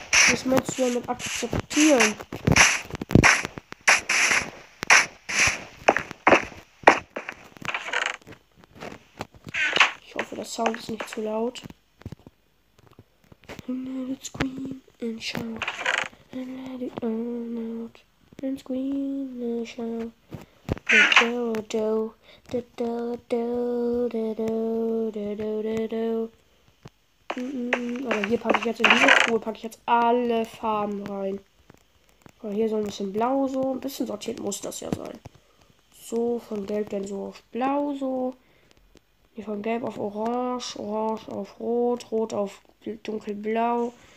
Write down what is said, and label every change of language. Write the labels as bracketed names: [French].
[German] Was meinst du denn mit akzeptieren? Ich hoffe, der Sound ist nicht zu laut. [English] Let's go and show. And let it all out and scream and shout. Do do do do do do do do do do do do. [German] Aber hier packe ich jetzt, in diese Truhe packe ich jetzt alle Farben rein. Aber hier so ein bisschen blau so, ein bisschen sortiert muss das ja sein. So von gelb dann so auf blau so. Hier von gelb auf orange, orange auf rot, rot auf dunkelblau.